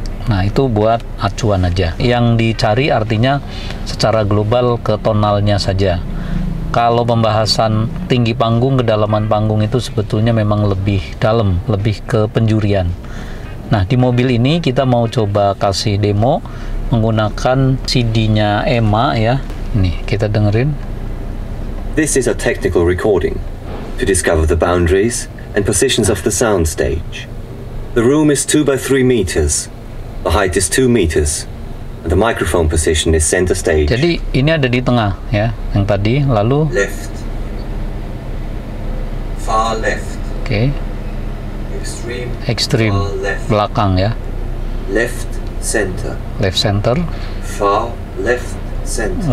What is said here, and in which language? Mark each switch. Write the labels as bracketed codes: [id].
[id] Nah, itu buat acuan aja. Yang dicari artinya secara global ke tonalnya saja. Kalau pembahasan tinggi panggung, kedalaman panggung itu sebetulnya memang lebih dalam, lebih ke penjurian. Nah, di mobil ini kita mau coba kasih demo menggunakan CD-nya EMA ya. Nih, kita dengerin. [en] This is a technical recording to discover the boundaries and positions of the sound stage. The room is 2x3 meters, the height is 2 meters, and the microphone position is center stage. [id] Jadi ini ada di tengah ya, yang tadi, lalu [en] left, far left. Oke. Okay. Extreme. Far left. [id] Belakang ya. [en] Left center. Left center. Far left center.